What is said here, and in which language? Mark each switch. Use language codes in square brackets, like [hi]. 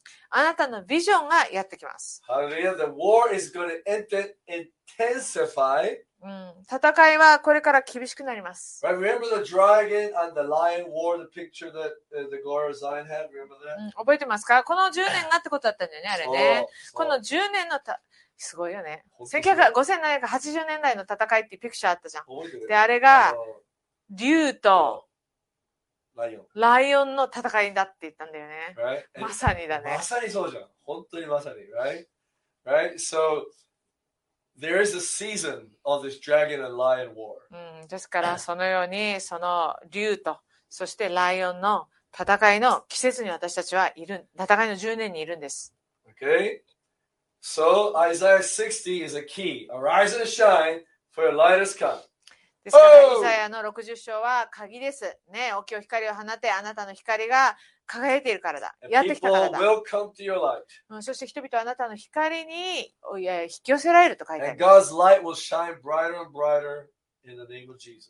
[ja] あなたのビジョンがやってきます。 [en] Hallelujah, the war is going to enter intensify. [ja] 戦いはこれから厳しくなります。 [en] Right, remember the dragon and the lion war, the picture that the glory of Zion had? Remember that? [ja] 覚えてますか？この10年がってことだったんだよね、あれね。この10年のた、すごいよね。 5780年代の戦いっていうピクチャーあったじゃん。で、あれが、竜と、ライオンの戦いだって言ったんだよね。 [en] Right? [ja] まさにだね。まさにそうじゃん。本当にまさに。 [en] Right? Right? So,There is a season of this dragon and lion war. [ja] ですからそのようにその竜とそしてライオンの戦いの季節に私たちはいる戦いの10年にいるんです。 [en] Okay, so Isaiah 60 is a key. Arise and shine, for your light has come. [ja] ですからイザヤの60章は鍵です。ね、お清光を放てあなたの光が輝いているからだ。やってきたからだ。 [en] Will come to your light. [ja] そして人々はあなたの光に引き寄せられると書いてある。 [en] And God's light will shine brighter and brighter in the name of Jesus.